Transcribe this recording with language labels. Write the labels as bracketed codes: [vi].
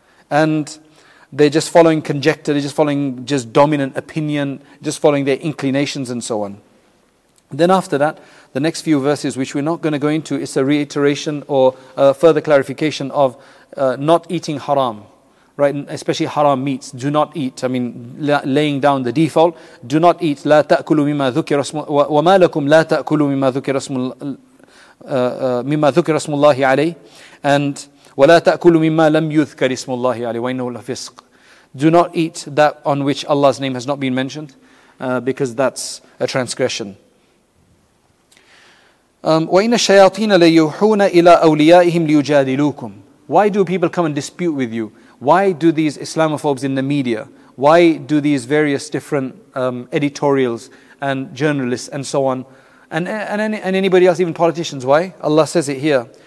[en] And they're just following conjecture, they're just following just dominant opinion, just following their inclinations and so on. Then after that, the next few verses, which we're not going to go into, it's a reiteration or a further clarification of not eating haram, right? Especially haram meats. Do not eat. I mean, laying down the default. Do not eat. [ar] لا تأكلوا مما ذكر اسم وما لكم لا تأكلوا مما ذكر اسم مما ذكر اسم الله عليه and ولا تأكلوا مما لم يذكر اسم الله عليه وإنه لفسق. [en] Do not eat that on which Allah's name has not been mentioned, because that's a transgression. [ar] وَإِنَّ الشَّيَاطِينَ لَيُوحُونَ إِلَىٰ أَوْلِيَائِهِمْ لِيُجَادِلُوكُمْ. [en] Why do people come and dispute with you? Why do these Islamophobes in the media, why do these various different editorials and journalists and so on, and anybody else, even politicians, why? Allah says it here.